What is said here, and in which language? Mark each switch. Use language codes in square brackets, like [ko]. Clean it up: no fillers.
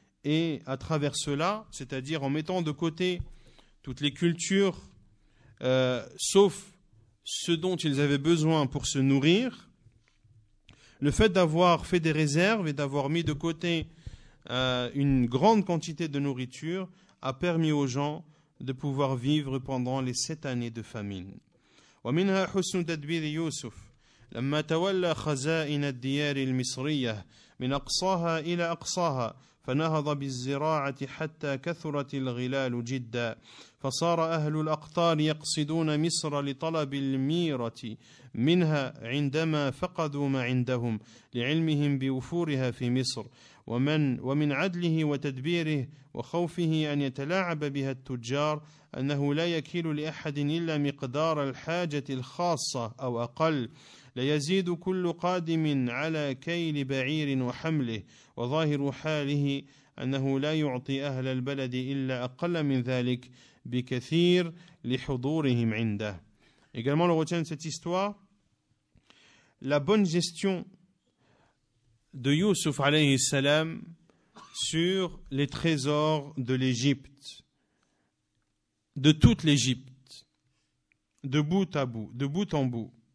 [fr] Et à travers cela, c'est-à-dire en mettant de côté toutes les cultures, sauf ce dont ils avaient besoin pour se nourrir, le fait d'avoir fait des réserves et d'avoir mis de côté une grande quantité de nourriture a permis aux gens de pouvoir vivre pendant les 7 années de famine. [ar] ومنها حسن تدبير يوسف لما تولى خزائن الديار المصرية من أقصاها إلى أقصاها فنهض بالزراعة حتى كثرت الغلال جدا فصار أهل الأقطار يقصدون مصر لطلب الميرة منها عندما فقدوا ما عندهم لعلمهم بوفورها في مصر ومن عدله وتدبيره وخوفه أن يتلاعب بها التجار أنه لا يكيل لأحد إلا مقدار الحاجة الخاصة أو أقل ليزيد كل قادم على كيل بعير وحمله وظاهر حاله أنه لا يعطي أهل البلد إلا أقل من ذلك بكثير لحضورهم عنده. [fr] Également, on retient de cette histoire la bonne gestion de Yusuf alayhi salam sur les trésors de l'Égypte, de toute l'Égypte, de bout à bout, de bout en bout.